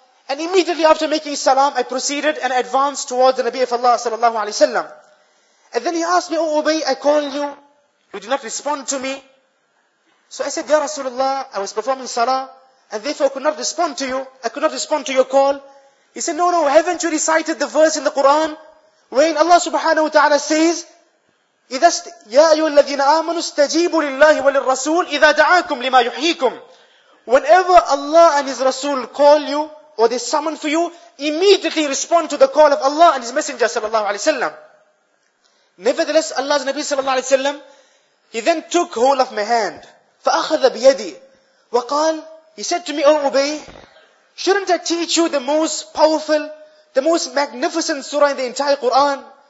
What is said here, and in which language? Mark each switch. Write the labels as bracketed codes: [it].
[en] And immediately after making salam, I proceeded and advanced towards the Nabi of Allah sallallahu alayhi wa sallam. And then he asked me, O Ubay, I call you. You did not respond to me. So I said, Ya Rasulullah, I was performing salah. And therefore I could not respond to you. I could not respond to your call. He said, no, haven't you recited the verse in the Quran? When Allah subhanahu wa ta'ala says, [ar] يَا أَيُّهَا الَّذِينَ آمَنُوا اسْتَجِيبُوا لِلَّهِ وَلِلْرَسُولِ إِذَا دَعَاكُمْ لِمَا يُحْيِيكُمْ. [en] Whenever Allah and His Rasul call you, or they summon for you, immediately respond to the call of Allah and His Messenger sallallahu alayhi wa sallam. Nevertheless, Allah's Nabi sallallahu alayhi wa sallam, he then took hold of my hand. [ar] فَأَخَذَ بِيَدِي وَقَال, [en] he said to me, O Ubay, shouldn't I teach you the most powerful, the most magnificent surah in the entire Quran?